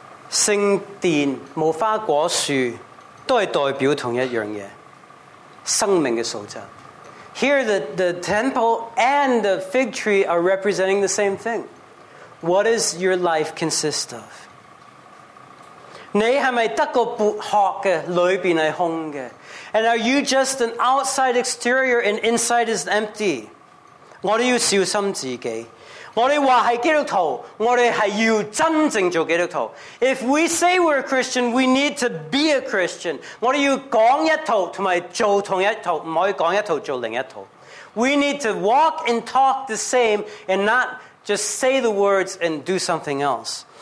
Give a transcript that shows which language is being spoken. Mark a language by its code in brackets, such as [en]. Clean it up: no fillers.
[yue] 圣殿、无花果树都是代表同一样嘢，生命嘅素质。 [en] Here the temple and the fig tree are representing the same thing. What does your life consist of? [yue] 你是不是得个薄壳嘅里边是空嘅？ [en] And are you just an outside exterior and inside is empty? [yue] 我哋要小心自己。我哋话系基督徒，我哋系要真正做基督徒。 [en] If we say we're a Christian, we need to be a Christian. [yue] 我哋要讲一套同埋做同一套，唔可以讲一套做另一套。 [en] We need to walk and talk the same and not just say the words and do something else.